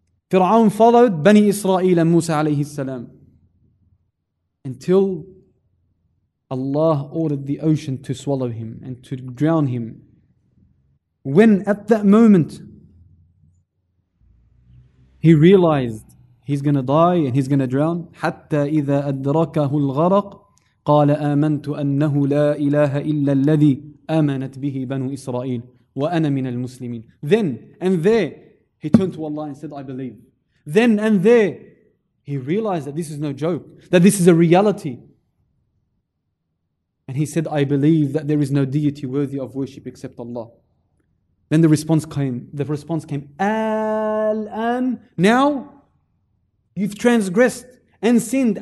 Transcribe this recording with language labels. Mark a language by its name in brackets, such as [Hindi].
[English] Fir'aun followed Bani Israel and Musa alayhi salam until Allah ordered the ocean to swallow him and to drown him. When at that moment he realized he's going to die and he's going to drown. [Arabic] حتى إذا أدركه الغرق قال آمنت أنه لا إله إلا الذي آمنت به بنو إسرائيل. وَأَنَا مِنَ الْمُسْلِمِينَ. [English] Then and there, he turned to Allah and said, I believe. Then and there, he realized that this is no joke, that this is a reality. And he said, I believe that there is no deity worthy of worship except Allah. Then the response came, Al-an, now you've transgressed and sinned.